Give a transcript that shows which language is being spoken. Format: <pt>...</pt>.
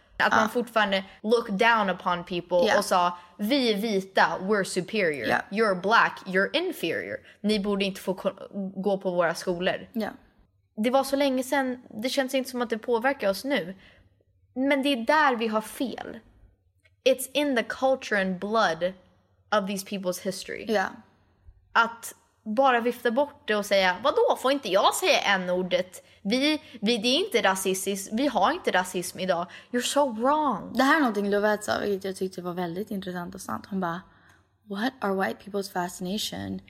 <sv>Att man fortfarande</sv> <en>look down upon people</en> <sv>och sa, vi är vita,</sv> <en>we're superior. Yeah. You're black, you're inferior.</en> <sv>Ni borde inte få gå på våra skolor.</sv> <en>Yeah.</en> <sv>Det var så länge sedan, det känns inte som att det påverkar oss nu. Men det är där vi har fel.</sv> <en>It's in the culture and blood of these people's history. Yeah.</en> <sv>Att bara vifta bort det och säga, vadå, får inte jag säga N-ordet? Det är inte rasistiskt, vi har inte rasism idag.</sv> <en>You're so wrong.</en> <sv>Det här är någonting Lovette sa, vilket jag tyckte var väldigt intressant och sant. Hon bara,</sv> <en>what are white people's fascination,</en>